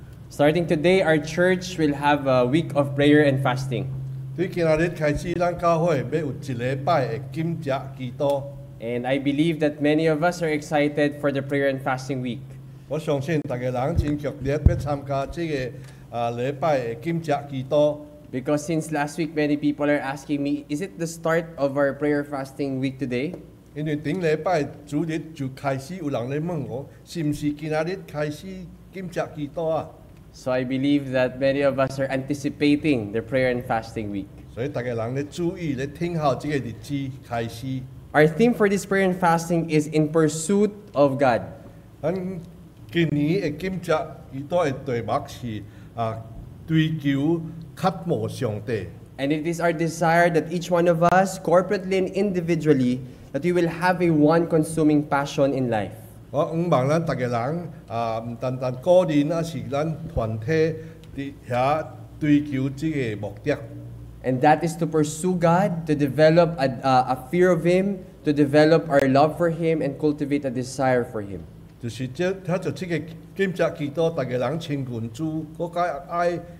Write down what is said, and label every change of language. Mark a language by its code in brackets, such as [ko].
[en] Starting today, our church will have a week of prayer and fasting. [nan] 从今日开始，咱教会要有一礼拜的禁食祈祷。 [en] And I believe that many of us are excited for the prayer and fasting week. [nan] 我相信大家人真热烈要参加这个礼拜的禁食祈祷。 [en] Because since last week, many people are asking me, is it the start of our prayer fasting week today? [nan] 因为顶礼拜主日就开始有人咧问我，是唔是今日开始禁食祈祷啊？ [en] So I believe that many of us are anticipating the prayer and fasting week. [nan] 所以大家人咧注意咧听候这个日子开始。 [en] Our theme for this prayer and fasting is in pursuit of God. [nan] 咱今年的禁食祈祷的题目是追求。 [en] And it is our desire that each one of us, corporately and individually, that we will have a one-consuming passion in life. [nan] 我希望咱大家人唔单单个人，而是咱团体伫遐追求这个目的。 [en] And that is to pursue God, to develop a fear of Him, to develop our love for Him, and cultivate a desire for Him. [nan] 就是这，他就这个敬拜基督，大家人亲近主，各家爱。